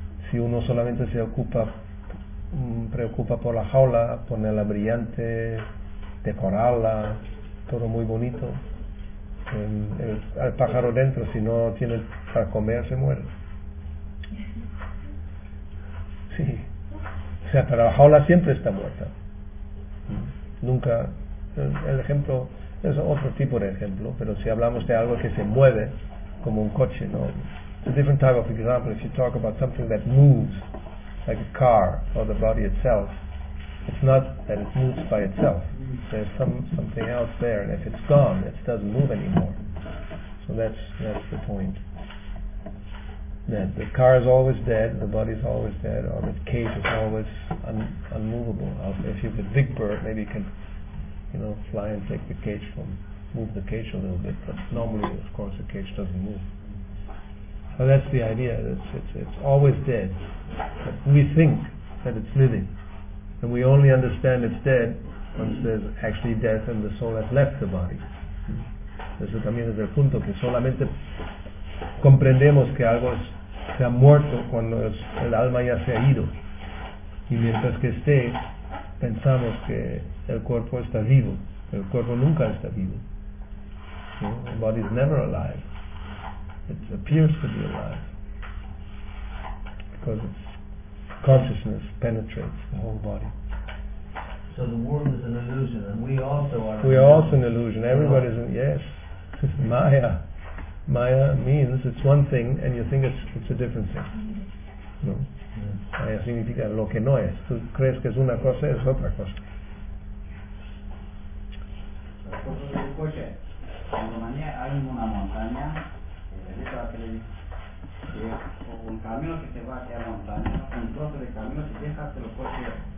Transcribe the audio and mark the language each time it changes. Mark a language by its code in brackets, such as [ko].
[es] Si uno solamente se preocupa por la jaula, ponerla brillante, decorarla, todo muy bonito, el pájaro dentro, si no tiene para comer, se muere. Sí, o sea, pero la jaula siempre está muerta. Nunca, el ejemplo es otro tipo de ejemplo, pero si hablamos de algo que se mueve, como un coche, ¿no? [en] It's a different type of example. If you talk about something that moves, like a car or the body itself, it's not that it moves by itself. There's something else there, and if it's gone, it doesn't move anymore. So that's the point. That the car is always dead, the body is always dead, or the cage is always unmovable. If you have a big bird, maybe you can, you know, fly and take the cage from, move the cage a little bit, but normally, of course, the cage doesn't move. So that's the idea, it's always dead. But we think that it's living, and we only understand it's dead once there's actually death and the soul has left the body. [es] Eso también es el punto, que solamente comprendemos que algo se ha muerto cuando el alma ya se ha ido, y mientras que esté pensamos que el cuerpo está vivo. El cuerpo nunca está vivo, ¿no? [en] The body is never alive. It appears to be alive because its consciousness penetrates the whole body. So the world is an illusion, and we also are. We are also an illusion. Everybody is. Yes, Maya. Maya means it's one thing and you think it's a different thing. No. Yeah. [es] Maya significa lo que no es. Tú crees que es una cosa, es otra cosa. Un camino que te va hacia la montaña, un trozo de camino, si dejas los coches